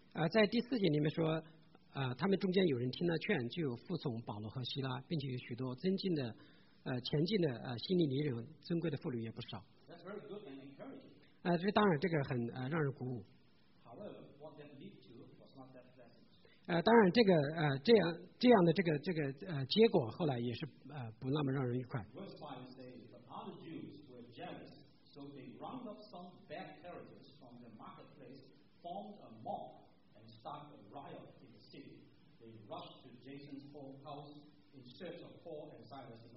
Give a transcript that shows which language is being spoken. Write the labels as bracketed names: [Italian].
[Chinese] 在第四节里面说，他们中间有人听了劝，就服从保罗和希拉，并且有许多尊敬的。前进的希利尼人，尊贵的妇女也不少。 [English] That's very good and encouraging. [Chinese] 这当然这个很让人鼓舞。 [English] However, what that lead to was not that pleasant. [Chinese] 当然这个这样的这个结果后来也是不那么让人愉快。 [English] Verse 5 says, "But other Jews were jealous, so they round up some bad characters from the marketplace, formed a mob, and started a riot in the city. They rushed to Jason's house in search of Paul and Silas."